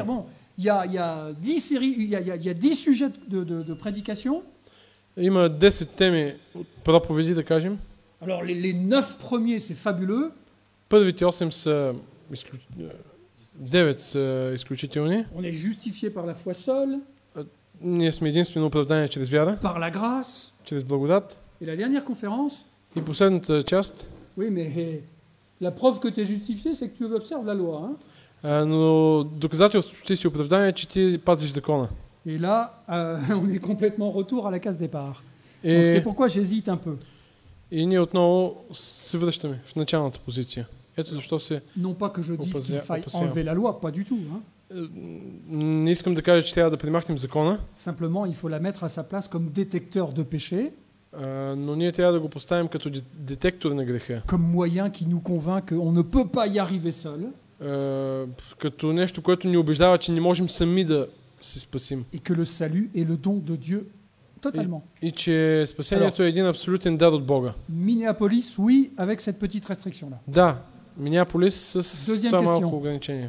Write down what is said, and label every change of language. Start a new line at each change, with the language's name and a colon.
French: C'est-à-dire, bon, il y a 10 sujets de prédication.
Bulgarian: Има 10 теми проповеди, да кажем.
French: Alors les 9 premiers c'est fabuleux.
Bulgarian: Първите 8 са 9 са изключителни.
French: On est justifié par la foi seule.
Bulgarian: Ние сме единствено оправдание чрез вяра.
French: Par la grâce.
Bulgarian: Чрез благодат.
French: Et la dernière conférence.
Bulgarian: И последната част.
French: Oui, mais la preuve que tu es justifié, c'est que tu observes la loi, hein?
Bulgarian: Но доказателството, че ти си оправдание, че ти пазиш закона.
French: Et là, on est complètement retour à la case départ. Et donc c'est pourquoi j'hésite un peu.
Bulgarian: И ние отново се връщаме в началната позиция. Ето защо се.
French: Non pas que je dise qu'il faille enlever la loi, pas du tout, hein?
Bulgarian: Не искам да кажа, че трябва да премахнем закона.
French: Simplement, il faut la mettre à sa place comme détecteur de péché.
Bulgarian: Но ние трябва да го поставим като детектор на греха.
French: Comme moyen qui nous convainc qu'on ne peut pas y arriver seul.
Bulgarian: Като нещо, което ни убеждава, че не можем сами да се спасим.
French: Et que le salut est le don de Dieu totalement.
Bulgarian: И че спасението е един абсолютен дар от Бога.
French: Minneapolis, oui, avec cette petite restriction là.
Bulgarian: Да, Минеаполис с това малко ограничение.